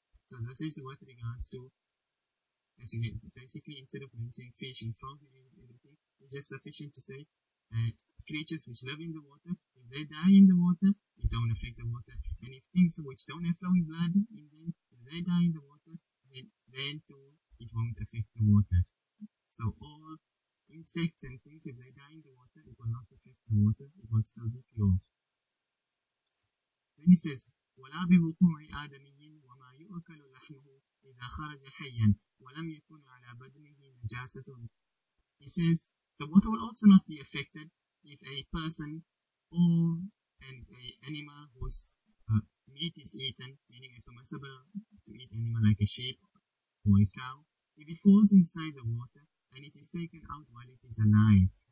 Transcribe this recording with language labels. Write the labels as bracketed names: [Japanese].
[English] So this is with regards to, as you get, basically instead of mentioning fish and frog and everything, it's just sufficient to say creatures which live in the water, if they die in the water, it don't affect the water. And if things which don't have flowing blood in them, if they die in the water, then too, it won't affect the water. So all insects and things, if they die in the water, it will not affect the water, it will still be pure. Then he says, [Arabic] وَلَا بِهُقُمْ عَدَمِينَ يؤكل لحمه إذا خرج حيا ولم يكن على بدنه نجاسة. [English] He says, the water will also not be affected if a person or an animal whose meat is eaten, meaning it's permissible to eat animal like a sheep or a cow, if it falls inside the water and it is taken out while it is alive.